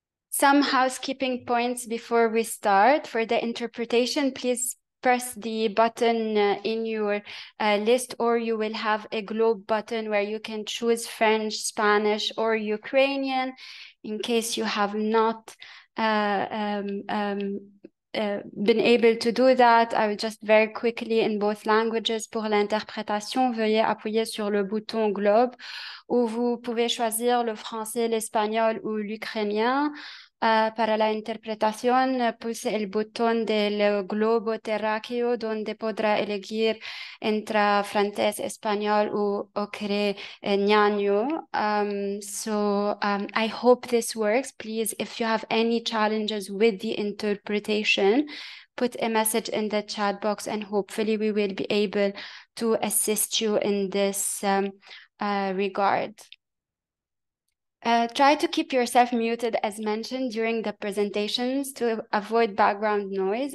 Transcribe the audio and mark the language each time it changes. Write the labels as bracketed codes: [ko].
[en] Some housekeeping points before we start. For the interpretation, please press the button in your list, or you will have a globe button where you can choose French, Spanish, or Ukrainian in case you have not been able to do that. I will just very quickly, in both languages, [fr] pour l'interprétation, veuillez appuyer sur le bouton globe, ou vous pouvez choisir le français, l'espagnol ou l'ukrainien. [es] Para la interpretación, pulse el botón del globo terráqueo donde podrá elegir entre francés, español o ucraniano. [en] I hope this works. Please, if you have any challenges with the interpretation, put a message in the chat box and hopefully we will be able to assist you in this regard. Try to keep yourself muted as mentioned during the presentations to avoid background noise.